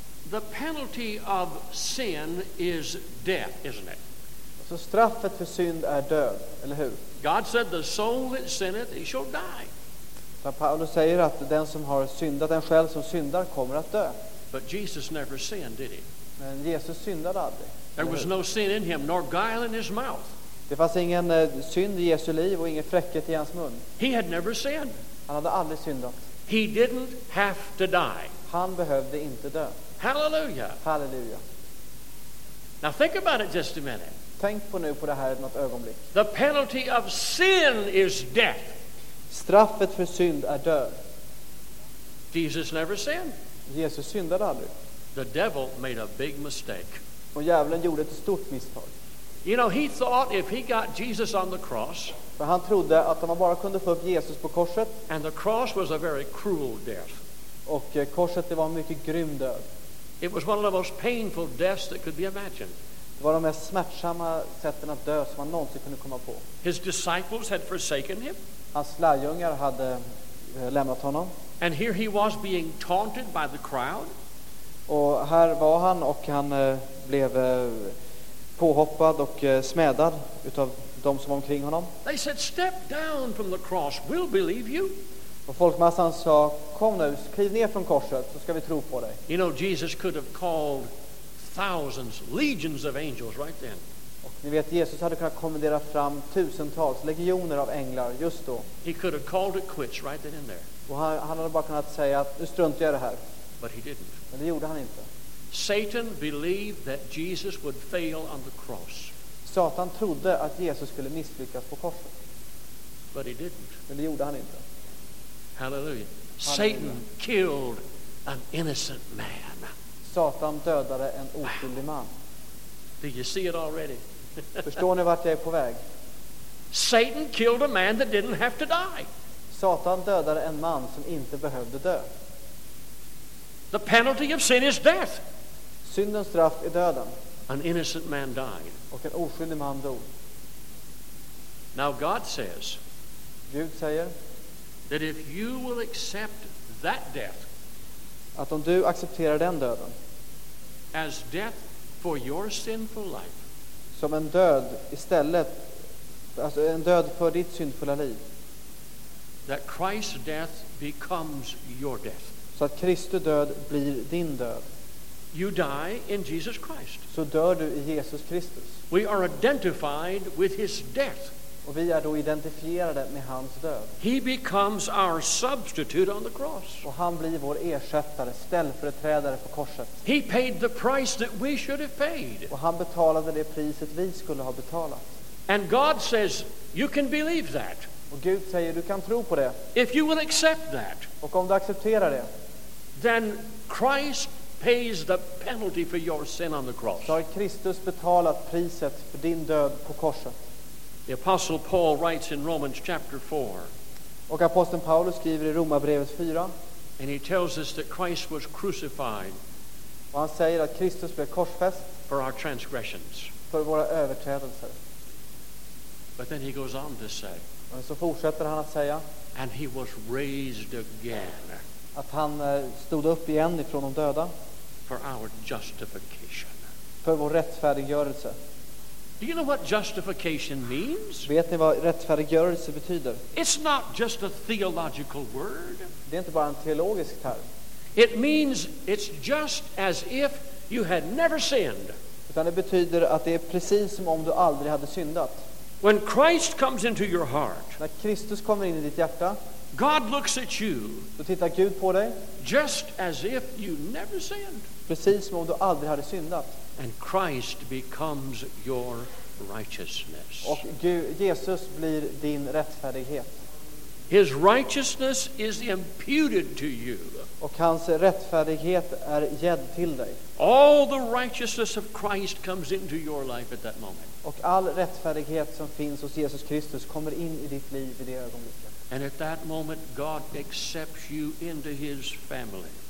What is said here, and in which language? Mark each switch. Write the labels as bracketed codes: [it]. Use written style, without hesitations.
[en] the penalty of sin is death, isn't it? [sv] Så straffet för synd är död, eller hur? [en] God said the soul that sinneth, he shall die. [sv] Så Paulus säger att den som har syndat, den själ som syndar, kommer att dö. [en] But Jesus never sinned, did he? [sv] Men Jesus syndade aldrig. [en] There was no sin in him, nor guile in his mouth. [sv] Det fanns ingen synd i Jesu liv och ingen fräckhet i hans mun. [en] He had never sinned. [sv] Han hade aldrig syndat. [en] He didn't have to die. [sv] Han behövde inte dö. [en] Hallelujah. [sv] Halleluja. [en] Now think about it just a minute. [sv] Tänk på nu på det här något ögonblick. [en] The penalty of sin is death. [sv] Straffet för synd är död. [en] Jesus never sinned. [sv] Jesus syndade aldrig. [en] The devil made a big mistake. [sv] Och djävulen gjorde ett stort misstag. [en] You know, he thought if he got Jesus on the cross. [sv] För han trodde att om han bara kunde få upp Jesus på korset. [en] And the cross was a very cruel death. [sv] Och korset, det var en mycket grym död. [en] It was one of the most painful deaths that could be imagined. [sv] Det var de mest smärtsamma sätten att dö som han någonsin kunde komma på. [en] His disciples had forsaken him. [sv] Hans lärjungar hade lämnat honom. [en] And here he was being taunted by the crowd. [sv] Och här var han och han blev påhoppad och smädad utav de som var omkring honom. [en] They said, step down from the cross, we'll believe you. [sv] Och folkmassan sa, kom nu, kliv ner från korset så ska vi tro på dig. [en] You know, Jesus could have called thousands, legions of angels right then. [sv] Och ni vet, Jesus hade kunnat kommendera fram tusentals, legioner av änglar just då. [en] He could have called it quits right then and there. [sv] Och han hade bara kunnat säga att nu struntar jag det här. [en] But he didn't. [sv] Men det gjorde han inte. [en] Satan believed that Jesus would fail on the cross. [sv] Satan trodde att Jesus skulle misslyckas på korset. [en] But he didn't. [sv] Men det gjorde han inte. [en] Hallelujah. Satan killed an innocent man. [sv] Satan dödade en oskyldig man. [en] Do you see it already? [sv] Förstår ni vart jag är på väg? [en] Satan killed a man that didn't have to die. [sv] Satan dödade en man som inte behövde dö. [en] The penalty of sin is death. [sv] Syndens straff är döden. [en] An innocent man died. [sv] Och en oskyldig man dog. [en] Now God says. [sv] Gud säger. [en] That if you will accept that death. [sv] Att om du accepterar den döden. [en] As death for your sinful life. [sv] Som en död istället. Alltså en död för ditt syndfulla liv. [en] That Christ's death becomes your death. [sv] Så att Kristus död blir din död. [en] You die in Jesus Christ. [sv] Så dör du i Jesus Kristus. [en] We are identified with his death. [sv] Och vi är då identifierade med hans död. [en] He becomes our substitute on the cross. [sv] Och han blir vår ersättare, ställföreträdare på korset. [en] He paid the price that we should have paid. [sv] Och han betalade det priset vi skulle ha betalat. [en] And God says, you can believe that. [sv] Och Gud säger, du kan tro på det. [en] If you will accept that. [sv] Och om du accepterar det. [en] Then Christ pays the penalty for your sin on the cross. [sv] Så har Kristus betalat priset för din död på korset. [en] The apostle Paul writes in Romans chapter 4. [sv] Och aposteln Paulus skriver i Romarbrevet 4. [en] And he tells us that Christ was crucified. [sv] Och han säger att Kristus blev korsfäst. [en] For our transgressions. [sv] För våra överträdelser. [en] But then he goes on to say. [sv] Och så fortsätter han att säga. [en] And he was raised again. [sv] Att han stod upp igen ifrån de döda. [en] For our justification. [sv] För vår rättfärdiggörelse. [en] Do you know what justification means? [sv] Vet ni vad rättfärdiggörelse betyder? [en] It's not just a theological word. [sv] Det är inte bara en teologisk term. [en] It means it's just as if you had never sinned. [sv] Utan det betyder att det är precis som om du aldrig hade syndat. [en] When Christ comes into your heart. [sv] När Kristus kommer in i ditt hjärta. [en] God looks at you. [sv] Då tittar Gud på dig. [en] Just as if you never sinned. [sv] Precis som om du aldrig hade syndat. [en] And Christ becomes your righteousness. [sv] Och Jesus blir din rättfärdighet. [en] His righteousness is imputed to you. [sv] Och hans rättfärdighet är gädd till dig. [en] All the righteousness of Christ comes into your life at that moment. [sv] Och all rättfärdighet som finns hos Jesus Kristus kommer in i ditt liv i det ögonblicket. [en] And at that moment God accepts you into his family.